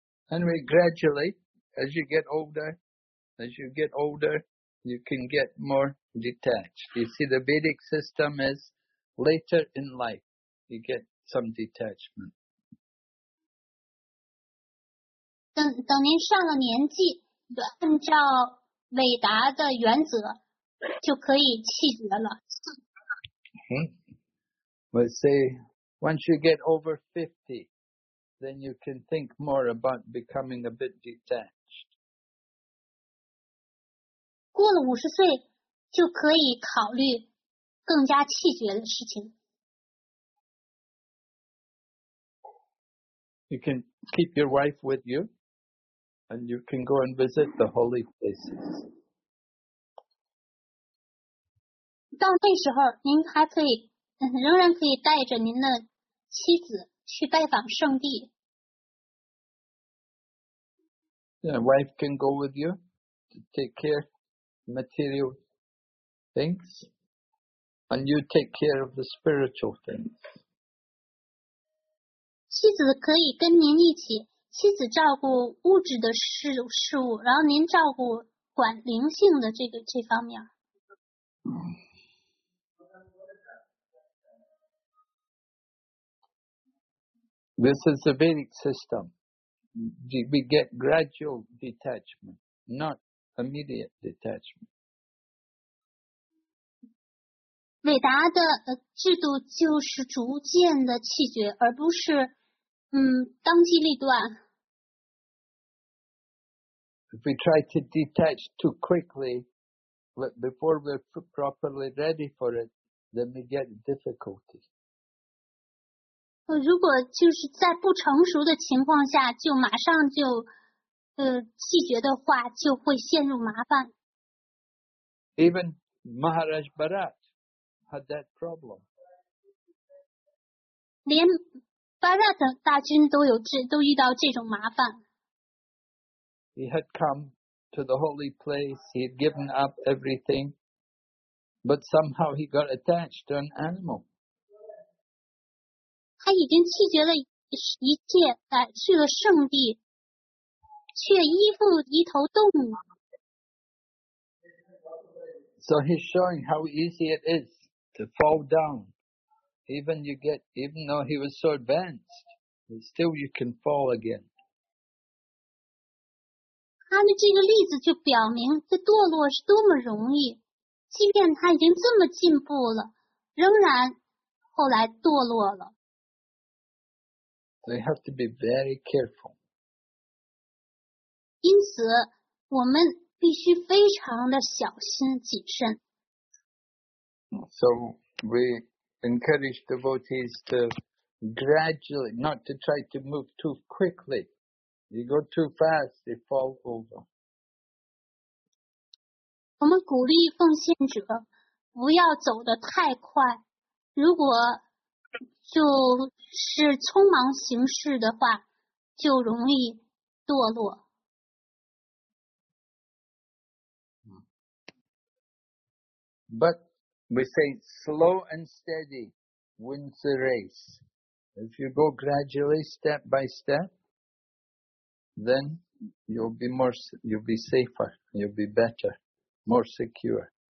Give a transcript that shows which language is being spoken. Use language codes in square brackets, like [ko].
[en] Anyway, gradually, as you get older, you can get more detached. You see, the Vedic system is later in life, you get some detachment. [zh] 等您上了年纪，按照韦达的原则，就可以弃绝了。 [en] Let's say, once you get over 50, then you can think more about becoming a bit detached. [zh] 过了五十岁就可以考虑更加气绝的事情。 [en] You can keep your wife with you and you can go and visit the holy places. [zh] 到那时候您还可以仍然可以带着您的妻子去拜访圣地。 [en] Your wife can go with you to take care of material things, and you take care of the spiritual things. [zh] 妻子可以跟您一起，妻子照顾物质的事物，然后您照顾管灵性的这方面。 [en] This is the Vedic system. We get gradual detachment, not immediate detachment. [zh] 韦达的制度就是逐渐的弃绝，而不是当机立断。 [en] If we try to detach too quickly, before we're properly ready for it, then we get difficulty. [zh] 如果就是在不成熟的情况下就马上就弃绝的话，就会陷入麻烦。 [en] Even Maharaj Bharat had that problem. [zh] 连 Bharat 大军都遇到这种麻烦。 [en] He had come to the holy place, he had given up everything, but somehow he got attached to an animal. [zh] 他已经弃绝了一切，去了圣地，却依附一头动物。 [en] So he's showing how easy it is to fall down. Even though he was so advanced, still you can fall again. [zh] 他的这个例子就表明，这堕落是多么容易。即便他已经这么进步了，仍然后来堕落了。 [en] They have to be very careful. [zh] 因此我们必须非常的小心谨慎。 [en] So we encourage devotees to gradually, not to try to move too quickly, You go too fast, they fall over. [zh] 我们鼓励奉献者不要走得太快。如果就是匆忙行事的话, 就容易堕落。 [en] But we say slow and steady wins the race. If you go gradually, step by step, then you'll be more, you'll be safer, you'll be better, more secure.